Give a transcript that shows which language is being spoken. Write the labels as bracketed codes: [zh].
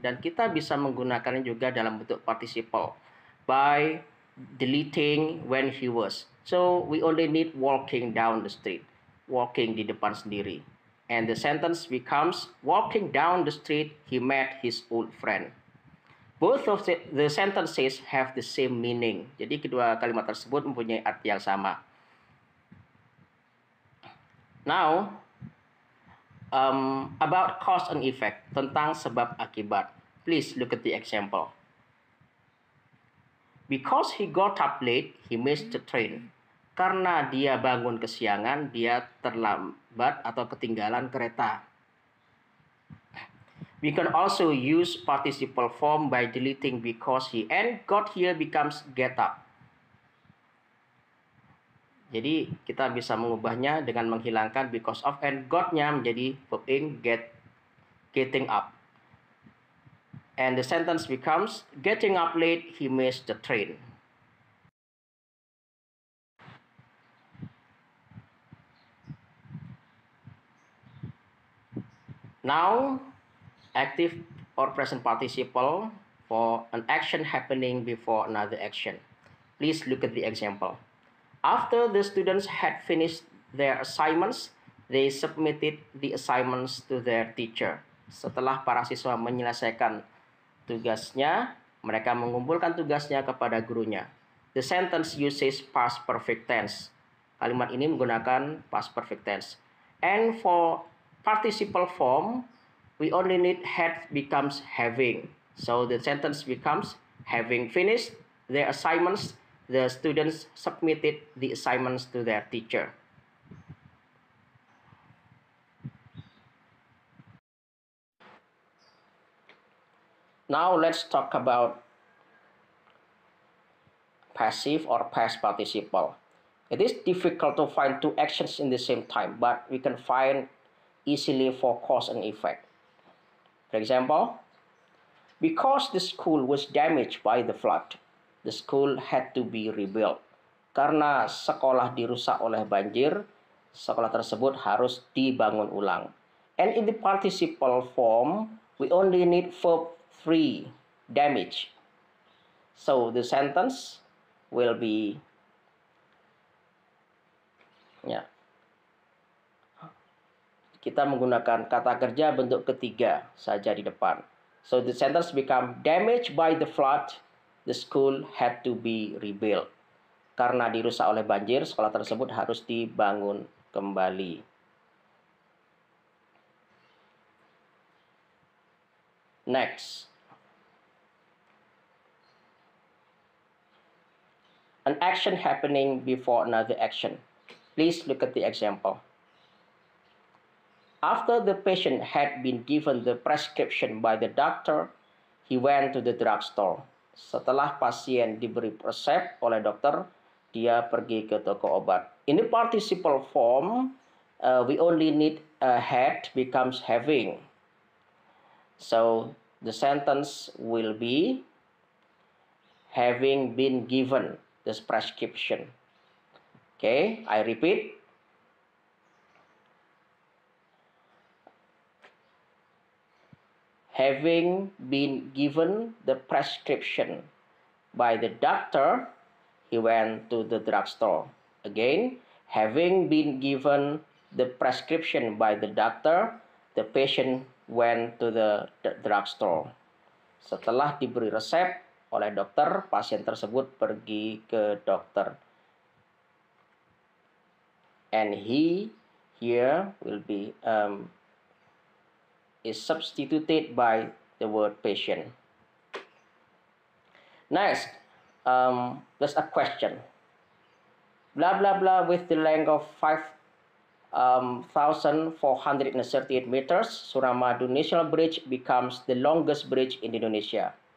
[id] Dan kita bisa menggunakannya juga dalam bentuk participle [en] by deleting when he was. So, we only need walking down the street. Walking [id] di depan sendiri. [en] And the sentence becomes, walking down the street, he met his old friend. Both of the sentences have the same meaning. [id] Jadi kedua kalimat tersebut mempunyai arti yang sama. [en] Now, about cause and effect, [id] tentang sebab akibat. [en] Please look at the example. Because he got up late, he missed the train. [id] Karena dia bangun kesiangan, dia terlambat atau ketinggalan kereta. [en] We can also use participle form by deleting because he and got here becomes get up. [id] Jadi kita bisa mengubahnya dengan menghilangkan [en] because of [id] and got-nya menjadi being getting up. [en] And the sentence becomes getting up late, he missed the train. Now, active or present participle for an action happening before another action. Please look at the example. After the students had finished their assignments, they submitted the assignments to their teacher. [id] Setelah para siswa menyelesaikan tugasnya, mereka mengumpulkan tugasnya kepada gurunya. [en] The sentence uses past perfect tense. [id] Kalimat ini menggunakan [en] past perfect tense. And for participle form, we only need had becomes having. So the sentence becomes, having finished their assignments, the students submitted the assignments to their teacher. Now let's talk about passive or past participle. It is difficult to find two actions in the same time, but we can find easily for cause and effect. For example, because the school was damaged by the flood, the school had to be rebuilt. [id] Karena sekolah dirusak oleh banjir, sekolah tersebut harus dibangun ulang. [en] And in the participle form, we only need verb 3, damage. So the sentence will be, yeah. [id] Kita menggunakan kata kerja bentuk ketiga saja di depan. [en] So the sentence become damaged by the flood, the school had to be rebuilt. [id] Karena dirusak oleh banjir, sekolah tersebut harus dibangun kembali. [en] Next. An action happening before another action. Please look at the example. After the patient had been given the prescription by the doctor, he went to the drugstore. [id] Setelah pasien diberi resep oleh dokter, dia pergi ke toko obat. [en] In the participle form, we only need had becomes having. So the sentence will be having been given this prescription. Okay, I repeat. Having been given the prescription by the doctor, he went to the drugstore. Again, having been given the prescription by the doctor, the patient went to the drugstore. [id] Setelah diberi resep oleh dokter, pasien tersebut pergi ke dokter. [en] And he here will be is substituted by the word patient. Next, there's a question. Blah blah blah with the length of 5,438 meters, Suramadu National Bridge becomes the longest bridge in Indonesia.